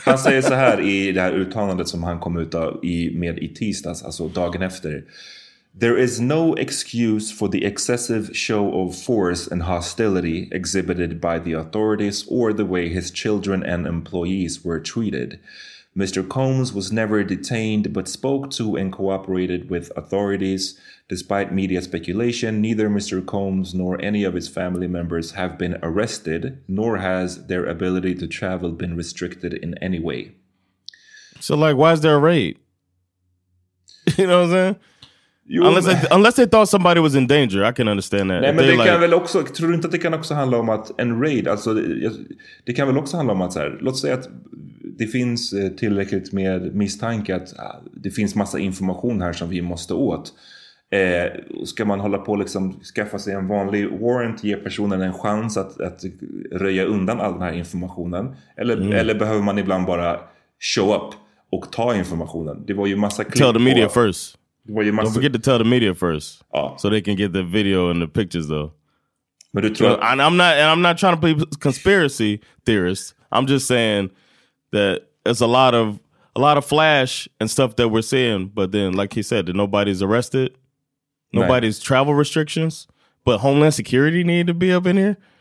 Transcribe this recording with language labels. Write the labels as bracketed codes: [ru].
[sv] Han säger så här i det här uttalandet som han kom ut med i tisdags, alltså dagen efter. [en] There is no excuse for the excessive show of force and hostility exhibited by the authorities or the way his children and employees were treated. Mr. Combs was never detained but spoke to and cooperated with authorities. Despite media speculation, neither Mr. Combs nor any of his family members have been arrested, nor has their ability to travel been restricted in any way. So, like, why is there a raid? You know what I'm saying? Jo, unless, men, unless they thought somebody was in danger, I can understand that. [sv] Nej, men det like, kan väl också, tror du inte att det kan också handla om att en raid, alltså det kan väl också handla om att så här, låt säga att det finns tillräckligt med misstanke att det finns massa information här som vi måste åt. Ska man hålla på liksom skaffa sig en vanlig warrant, ge personen en chans att röja undan all den här informationen? Eller behöver man ibland bara [en] show up [sv] och ta informationen? Det var ju massa klipp. [en] Tell the media first. Don't forget to tell the media first, so they can get the video and the pictures, though. But it's true. I'm not trying to be conspiracy theorist. I'm just saying that it's a lot of flash and stuff that we're seeing. But then, like he said, nobody's arrested, nobody's travel restrictions, but Homeland Security need to be up in here.